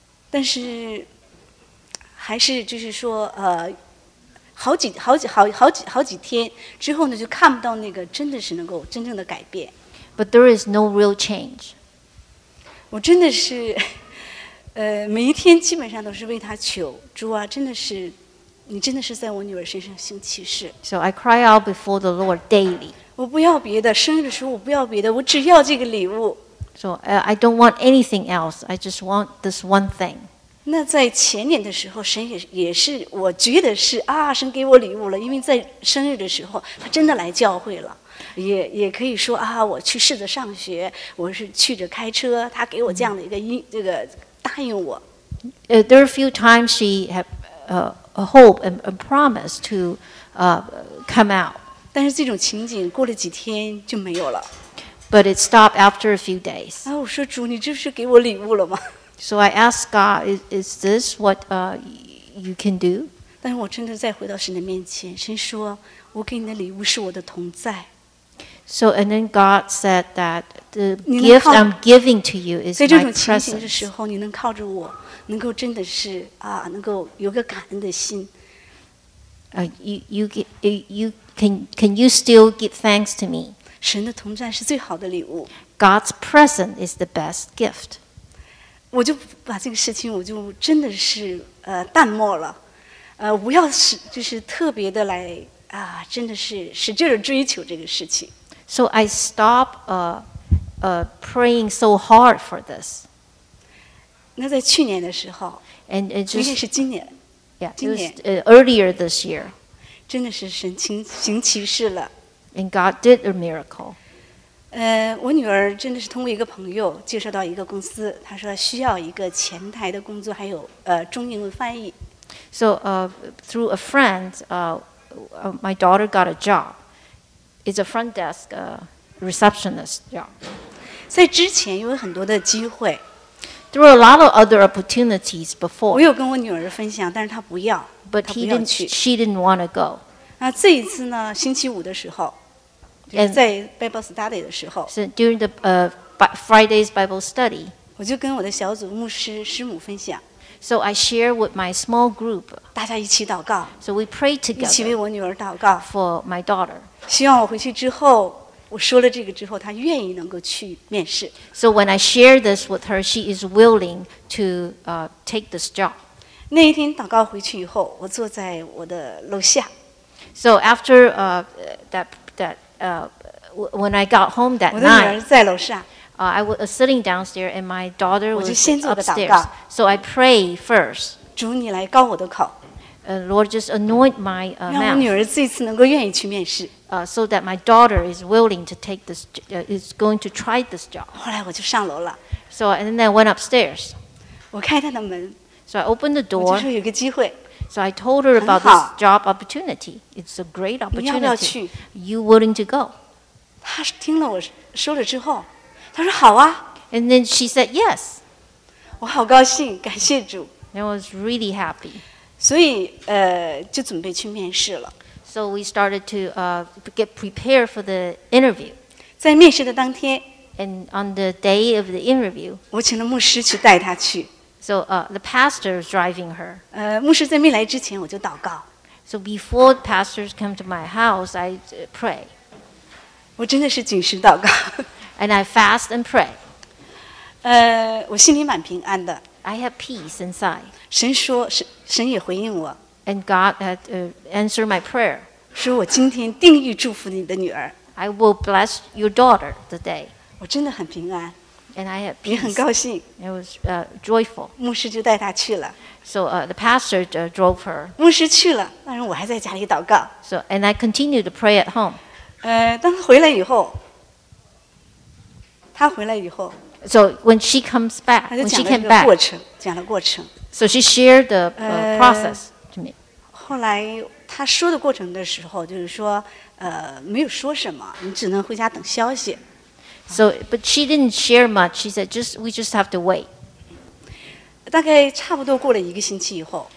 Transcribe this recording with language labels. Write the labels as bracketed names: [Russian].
[Chinese] 但是还是就是说好几天之后呢，就看不到那个真的是能够真正的改变。 [English] But there is no real change. [Chinese] 我真的是每一天基本上都是为他求主啊，真的是你真的是在我女儿身上行奇事。 [English] So I cry out before the Lord daily. [Chinese] 我不要别的，生日的时候我不要别的，我只要这个礼物。 [English] So I don't want anything else. I just want this one thing. [Chinese] 那在前年的时候，神也是，我觉得是啊，神给我礼物了，因为在生日的时候，他真的来教会了，也可以说啊，我去试着上学，我是去着开车，他给我这样的一个应、这个答应我。 [English] There are a few times she had a hope and a promise to come out. [Chinese] 但是这种情景过了几天就没有了。 [English] But it stopped after a few days. [Chinese] 啊，我说主，你这是给我礼物了吗？ [English] So I asked God, is this what you can do? [Chinese] 但是我真的再回到神的面前，神说，我给你的礼物是我的同在。 [English] So and then God said that the gift I'm giving to you is my presence. [Chinese] 在这种情形的时候，你能靠着我，能够真的是啊，能够有个感恩的心。 [English] Can you still give thanks to me? [Chinese] 神的同在是最好的礼物。 [English] God's presence is the best gift. [Chinese] 我就把这个事情我就真的是淡漠了不要使就是特别的来啊真的是使劲儿追求这个事情。 [English] So I stopped praying so hard for this. [Chinese] 那在去年的时候 [English] And it just, [Chinese] 应该是今年。 [English] Yeah, it was earlier this year. [Chinese] 真的是神行奇事了。 [English] And God did a miracle. [Chinese] 我女儿真的是通过一个朋友介绍到一个公司，她说需要一个前台的工作，还有中英文翻译。 [English] So through a friend, my daughter got a job. It's a front desk receptionist job. [Chinese] 在之前有很多的机会。 [English] There were a lot of other opportunities before. [Chinese] 我有跟我女儿分享，但是她不要。 [English] But [Chinese] 她不要去。 [English] She didn't want to go. [Chinese] 那这一次呢？星期五的时候。 [English] And [Chinese] 在 Bible study 的时候 [English] so during the Friday's Bible study [Chinese] 我就跟我的小组牧师师母分享 [English] so I share with my small group [Chinese] 大家一起祷告 [English] so we pray together [Chinese] 一起为我女儿祷告 [English] for my daughter [Chinese] 希望我回去之后我说了这个之后她愿意能够去面试 [English] so when I share this with her she is willing to take this job [Chinese] 那一天祷告回去以后我坐在我的楼下 [English] so after when I got home that night, [Chinese] 我的女儿在楼上。 [English] I was sitting downstairs, and my daughter was [Chinese] 我就先做个祷告。 [English] Upstairs. So I pray first. [Chinese] 主，你来膏我的口。 [English] Lord, just anoint my mouth. [Chinese] 让我女儿这次能够愿意去面试。 [English] So that my daughter is willing to take this, is going to try this job. [Chinese] 后来我就上楼了。 [English] So and then I went upstairs. [Chinese] 我开她的门。 [English] So I opened the door. [Chinese] 我就说有个机会。 [English] So I told her about this job opportunity. It's a great opportunity. [Chinese] 你要不要去? [English] Are you willing to go? [Chinese] 她听了我说了之后，她说好啊。 [English] And then she said yes. [Chinese] 我好高兴，感谢主。 [English] And I was really happy. [Chinese] 所以就准备去面试了。 [English] So we started to get prepared for the interview. [Chinese] 在面试的当天。 [English] And on the day of the interview. [Chinese] 我请了牧师去带她去。 [English] So the pastor is driving her. [Chinese] 牧师在没来之前我就祷告。 [English] So before the pastors come to my house, I pray. [Chinese] 我真的是谨慎祷告。 [English] And I fast and pray. [Chinese] 我心里蛮平安的。 [English] I have peace inside. [Chinese] 神说，神也回应我。 [English] And God had answered my prayer. [Chinese] 说我今天定义祝福你的女儿。 [English] I will bless your daughter today. [Chinese] 我真的很平安。 [English] And I had peace. [Chinese] 也很高兴。 [English] It was joyful. [Chinese] 牧师就带她去了。 [English] So the pastor drove her. [Chinese] 牧师去了，但是我还在家里祷告。 [English] So and I continued to pray at home. [Chinese] 当她回来以后，她回来以后。 [English] So when she comes back, when she came back, [Chinese] 讲了过程。 [English] So she shared the process to me. [Chinese] 后来她说的过程的时候，就是说没有说什么，你只能回家等消息。 [English] So, but she didn't share much. She said, "Just we just have to wait." [Chinese] 大概差不多过了一个星期以后